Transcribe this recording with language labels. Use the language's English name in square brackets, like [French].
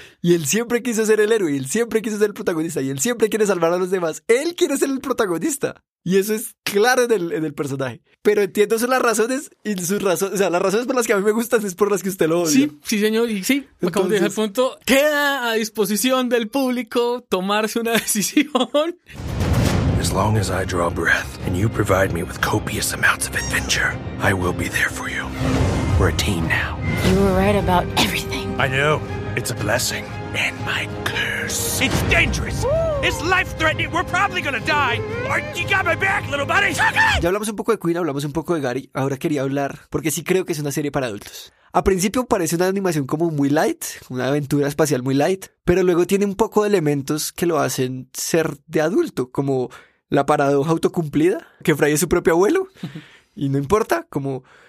[Spanish] Y él siempre quiso ser el héroe, él siempre quiso ser el protagonista y él siempre quiere salvar a los demás. Él quiere ser el protagonista. Y eso es claro en el personaje. Pero entiendo son las razones y sus razones. O sea, las razones por las que a mí me gustan es por las que usted lo odia. Sí, sí, señor. Y sí, entonces, acabo de dejar el punto. Queda a disposición del público tomarse una decisión. [English] As long as I draw breath and you provide me with copious amounts of adventure, I will be there for you. We're a team now. You were right about everything. I know. It's a blessing. And my curse. It's dangerous. It's life-threatening. We're probably gonna die. You got my back, little buddy. [Spanish] Ya hablamos un poco de Queen, hablamos un poco de Gary. Ahora quería hablar, porque sí creo que es una serie para adultos. A principio parece una animación como muy light, una aventura espacial muy light, pero luego tiene un poco de elementos que lo hacen ser de adulto, como la paradoja autocumplida, que Fry es su propio abuelo, y no importa, como